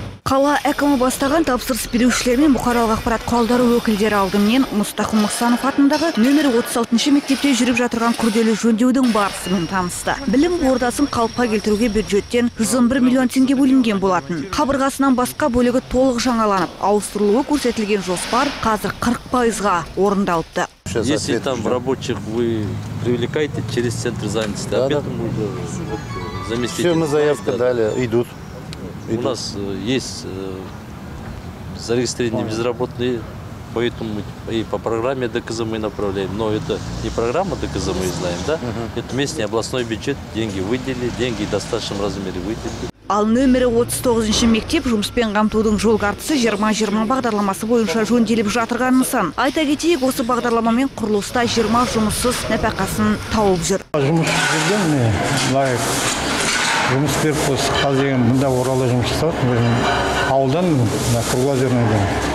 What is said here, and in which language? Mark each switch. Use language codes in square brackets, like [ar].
[kk] Қала әкімі бастаған тапсырыс берушілер мен бұқаралық ақпарат құралдары өкілдері алдымен Мұстафа Мұхсанов атындағы нөмір 36 мектепте жүріп жатырған күрделі жөндеудің барысымен танысты. Білім ордасын қалыпқа келтіруге бюджеттен 111 миллион теңге бөлінген болатын. Қабырғасынан басқа бөлігі толық жаңаланып, ауыстырылуы көрсетілген жоспар қазір 40%-ға орындалыпты. [ru] Если там рабочих вы привлекаете через центр занятости, да, опять там будет заместитель. Все, мы заявку дали, идут. У нас есть зарегистрированные безработные, поэтому и по программе ДКЗ мы направляем. Но это не программа ДКЗ, мы знаем, да? Это местный областной бюджет, деньги выделили, деньги в достаточном размере выделили. [kk] Ал нөмірі 39-шы мектеп жұмыспен қамтудың жол картасы 2020 бағдарламасы бойынша жөнделіп жатырған нысан. Айта кетейік, осы бағдарламамен құрылыста 20 жұмыссыз нәпақасын тауып жүр. Жұмыссыз жүрген не? Лайық. Жұмыс беріп қойсық, қазір деген мұнда оралы жұмыс істейді. Ауылдан құрға жүрмеген.